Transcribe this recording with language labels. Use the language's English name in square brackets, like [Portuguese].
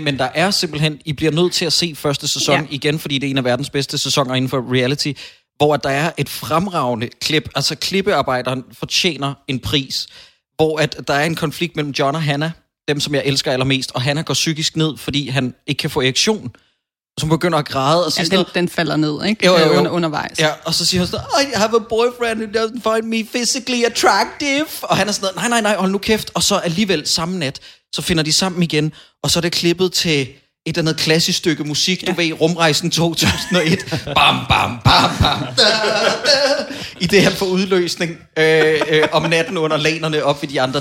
[Danish] men der er simpelthen, I bliver nødt til at se første sæson igen, fordi det er en af verdens bedste sæsoner inden for reality, hvor der er et fremragende klip, altså klippearbejderen fortjener en pris, hvor at der er en konflikt mellem John og Hannah, dem som jeg elsker allermest, og Hannah går psykisk ned, fordi han ikke kan få erektion. Som begynder at græde og sådan noget. Den falder ned, ikke? Jo. Undervejs. Ja, og så siger han sådan, [English] I have a boyfriend who doesn't find me physically attractive. [Danish] Og han er sådan, nej, hold nu kæft. Og så alligevel samme nat, så finder de sammen igen, og så er det klippet til et eller andet klassisk stykke musik, du ved, Rumrejsen 2001. Bam, bam, bam, bam. Da, da. I det her for udløsning om natten under lanerne op i de andre.